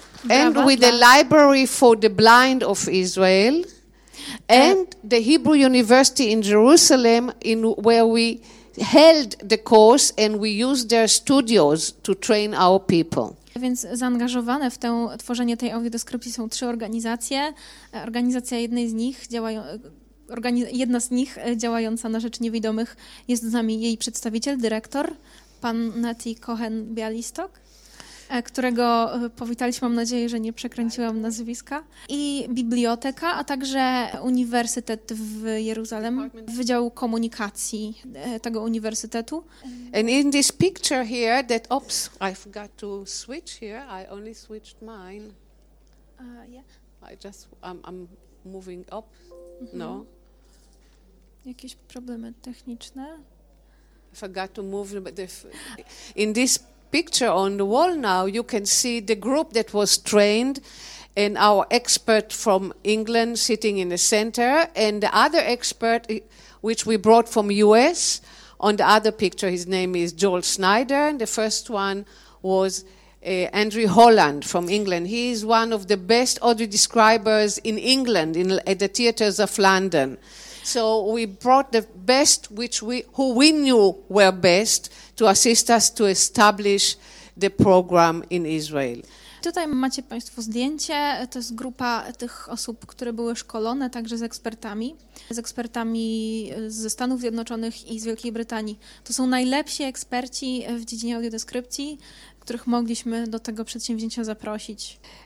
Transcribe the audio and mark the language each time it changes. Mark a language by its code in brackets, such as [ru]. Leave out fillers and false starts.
[en] And with the Library for the Blind of Israel. And the Hebrew University in Jerusalem, in where we held the course and we used their studios to train our people. [pl] Więc zaangażowane w tworzenie tej audiodeskrypcji są trzy organizacje. Organizacja jednej z nich jedna z nich działająca na rzecz niewidomych jest z nami jej przedstawiciel, dyrektor, pan Nati Cohen Bialystok, którego powitaliśmy, mam nadzieję, że nie przekręciłam nazwiska, i biblioteka, a także Uniwersytet w Jeruzalem, Wydział Komunikacji tego uniwersytetu. [en] And in this picture here, that, oops, I forgot to switch here, I only switched mine. Yeah. I'm moving up, no. [pl] Jakieś problemy techniczne. [en] I forgot to move, but in this picture on the wall now, you can see the group that was trained and our expert from England sitting in the center and the other expert which we brought from US On the other picture, his name is Joel Schneider, and the first one was Andrew Holland from England. He is one of the best audio describers in England, at the theaters of London. So we brought the best, who we knew were best, to assist us to establish the program in Israel. [pl] Tutaj macie Państwo zdjęcie, to jest grupa tych osób, które były szkolone także z ekspertami ze Stanów Zjednoczonych i z Wielkiej Brytanii. To są najlepsi eksperci w dziedzinie audiodeskrypcji, których mogliśmy do tego przedsięwzięcia zaprosić.